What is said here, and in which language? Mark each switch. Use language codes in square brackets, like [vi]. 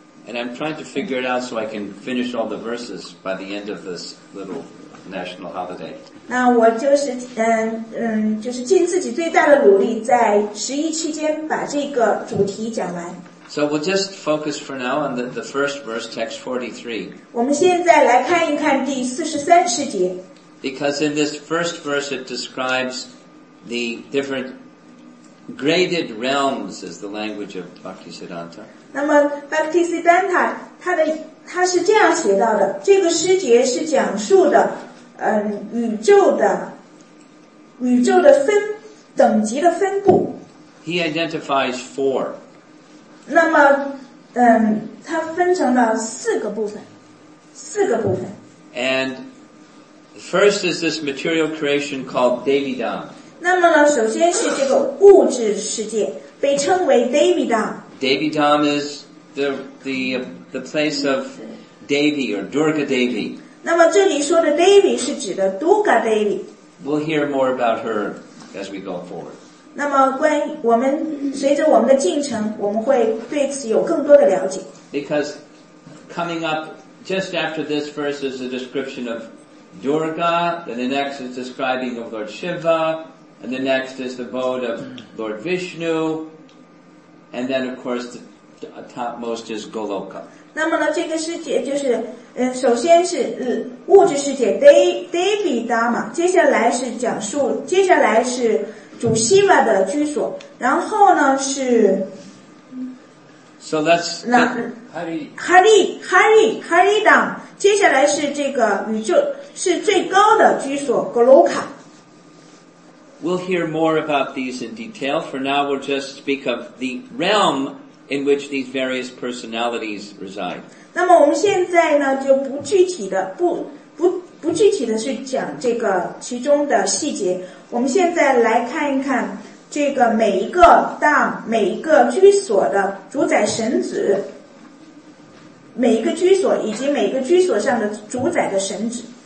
[en] And I'm trying to figure it out so I can finish all the verses by the end of this little national holiday. [zh] 那我就是就是尽自己最大的努力，在十一期间把这个主题讲完。 [en] So we'll just focus for now on the first verse, text 43. [zh] 我们现在来看一看第43世节。 [en] Because in this first verse it describes the different graded realms as the language of Bhaktisiddhanta. [zh] 那么 Bhaktisiddhanta 他是这样写到的，这个诗节是讲述的宇宙的分等级的分布。 [en] He identifies four. [zh] 那么，它分成了四个部分，四个部分。 [en] And first is this material creation called Devidam. [zh] 那么呢，首先是这个物质世界，被称为 Devidam. [en] Devidam is the place of Devi or Durga Devi. [zh] 那么这里说的 Devi 是指的 Durga Devi. [en] We'll hear more about her as we go forward. [zh] 那么关于我们随着我们的进程，我们会对此有更多的了解。 [en] Because coming up just after this verse is a description of Durga, then the next is describing of Lord Shiva, and the next is the abode of Lord Vishnu, and then of course the topmost is Goloka. [zh] 那么呢，这个世界就是首先是物质世界 Devidama， 接下来是讲述，接下来是。主希瓦的居所，然后呢是。 [en] So that's [zh] Hari Dam， 接下来是这个宇宙是最高的居所 Goloka。 [en] We'll hear more about these in detail. For now, we'll just speak of the realm in which these various personalities reside. [zh] 那么我们现在呢就不具体的不具体的去讲这个其中的细节。我们现在来看一看这个每一个大每一个居所的主宰神子，每一个居所以及每一个居所上的主宰的神子。